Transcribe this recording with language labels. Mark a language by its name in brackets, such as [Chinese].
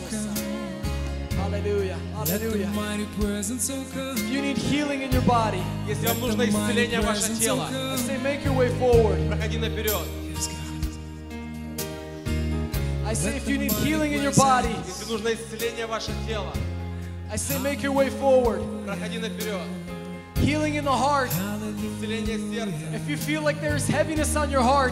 [English] Let the mighty presence of God. If you need healing in your body, [Russian] если вам нужно исцеление ваше тело, [English] say make your way forward. [Russian] Проходи наперед. [English] I say if you need healing in your body, [Russian] если нужно исцеление ваше тело, [English] I say make your way forward. [Russian] Проходи наперед. [English] Healing in the heart. [Russian] Исцеление сердца. [English] If you feel like there is heaviness on your heart,